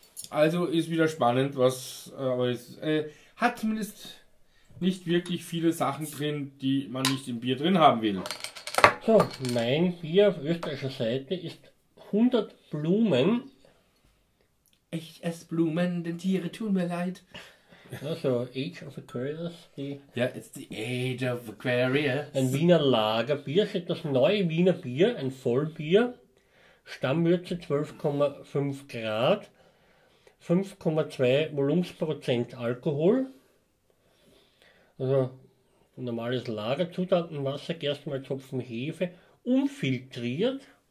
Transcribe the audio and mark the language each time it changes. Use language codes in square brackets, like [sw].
[de] Also ist wieder spannend, was hat zumindest nicht wirklich viele Sachen drin, die man nicht im Bier drin haben will. So, mein Bier auf österreichischer Seite ist 100 Blumen. Ich esse Blumen, denn Tiere tun mir leid. Also Age of Aquarius. Ja, [en] it's the Age of Aquarius. [de] Ein Wiener Lagerbier, steht das neue Wiener Bier, ein Vollbier. Stammwürze 12,5 Grad. 5,2 Volumensprozent Alkohol. Also normales Lager, Zutatenwasser, Gerstenmalz, Hopfen, Hefe, unfiltriert.